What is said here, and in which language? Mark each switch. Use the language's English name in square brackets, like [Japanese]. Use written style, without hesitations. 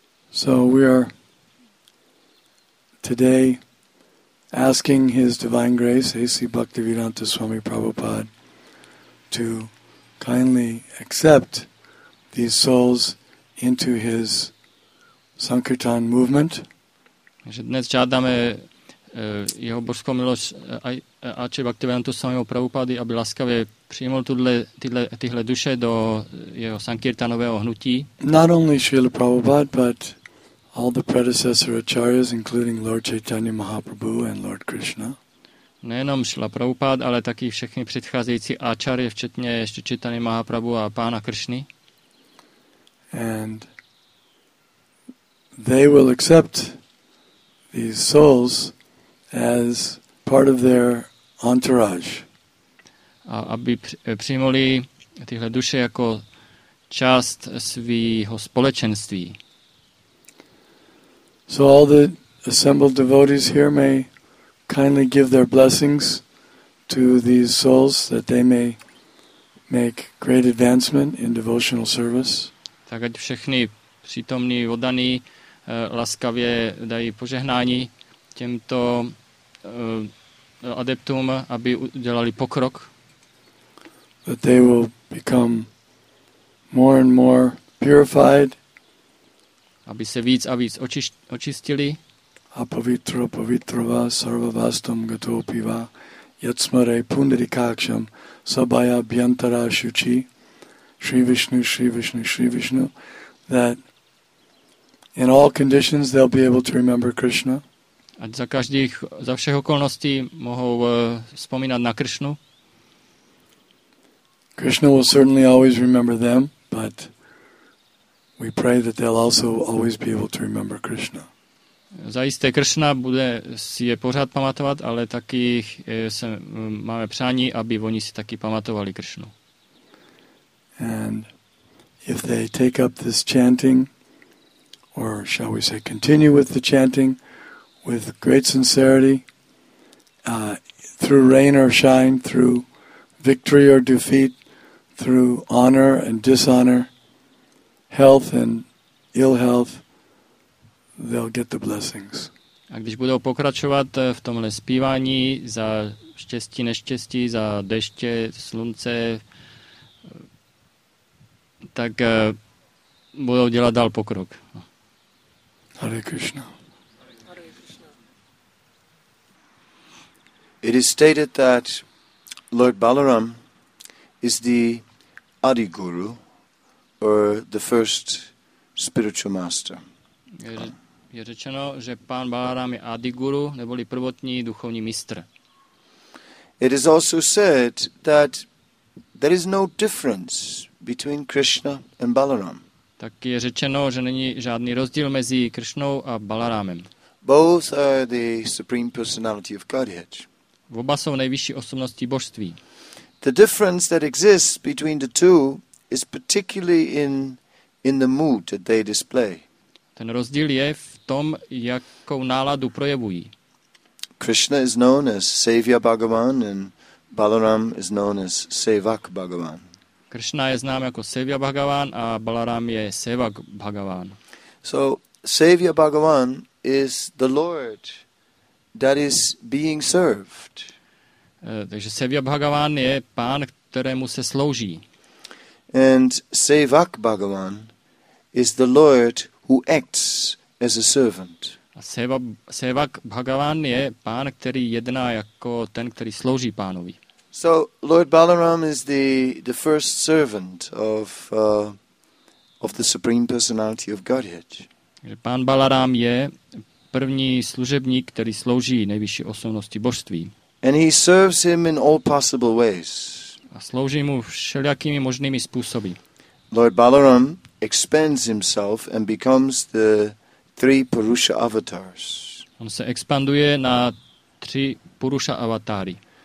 [English] So we are today asking his divine grace, A.C. Bhaktivedanta Swami Prabhupada, to kindly accept these souls into his Sankirtan movement. [Czech] Takže dnes žádáme jeho božskou milost A.C. Bhaktivedanta Swami Prabhupada, aby laskavě přijmul tyhle duše do jeho sankirtanového hnutí. [English] Not only Srila Prabhupada, but all the predecessor acharyas, including Lord Chaitanya Mahaprabhu and Lord Krishna. [Czech] Nejenom Srila Prabhupada, ale taky všechny předcházející acharye, včetně ještě Chaitanya Mahaprabhu a pána Krishny. [English] And they will accept these souls as part of their entourage. [Czech] A aby přijmuli tyhle duše jako část svého společenství. [English] So all the assembled devotees here may kindly give their blessings to these souls that they may make great advancement in devotional service. [Czech] Tak ať všichni přítomní oddaní laskavě dají požehnání těmto adeptům, aby udělali pokrok. [English] That they will become more and more purified. [Czech] Aby se víc a víc očistili. [Sanskrit] A pavitro pavitrova sarvavastam gatopiva yatsmare pundarikaksham sabaya byantara shuchi Shri Vishnu, Shri Vishnu, Shri Vishnu. [English] That in all conditions they'll be able to remember Krishna. [Czech] A za všech okolností mohou vzpomínat na Krishnu. [English] Krishna will certainly always remember them, but We pray that they'll also always be able to remember Krishna. [Czech] Zaiste Krishna bude si je pořád pamatovat, ale taky se máme přání, aby oni si taky pamatovali Krishnu. [English] And if they take up this chanting, or shall we say continue with the chanting with great sincerity, through rain or shine, through victory or defeat, through honor and dishonor, health and ill health, they'll get the blessings. [Czech] A když budou pokračovat v tomhle zpívání za štěstí, neštěstí, za deště, slunce, tak budou dělat dál pokrok. [English] Hare Krishna. It is stated that Lord Balaram is the Adi Guru, or the first spiritual master. [Czech] Je řečeno, že pán Balaram je Adi Guru, neboli prvotní duchovní mistr. [English] It is also said that there is no difference between Krishna and Balaram. [Czech] Tak je řečeno, že není žádný rozdíl mezi Krishnou a Balarámem. [English] Both are the supreme personality of Godhead. [Czech] Oba jsou nejvyšší osobnosti božství. [English] The difference that exists between the two is particularly in the mood that they display. [Czech] Ten rozdíl je v tom, jakou náladu projevují. [English] Krishna is known as Savior Bhagavan and Balaram is known as Sevak Bhagavan. [Czech] Krishna je znám jako Savior Bhagavan a Balaram je Sevak Bhagavan. [English] So Savior Bhagavan is the Lord that is being served. [Czech] Takže Sevak Bhagavan je pán, kterému se slouží. [English] And Sevak Bhagavan is the Lord who acts as a servant. [Czech] A Sevak Bhagavan je pán, který jedná jako ten, který slouží pánovi. [English] So Lord Balaram is the first servant of the supreme personality of Godhead. [Czech] Pán Balaram je první služebník, který slouží nejvyšší osobnosti božství. [English] And he serves him in all possible ways. [Czech] A slouží mu všelijakými možnými způsoby. [English] Lord Balaram expands himself and becomes the three Purusha avatars. [Czech] On se expanduje na tři Purusha avatáry.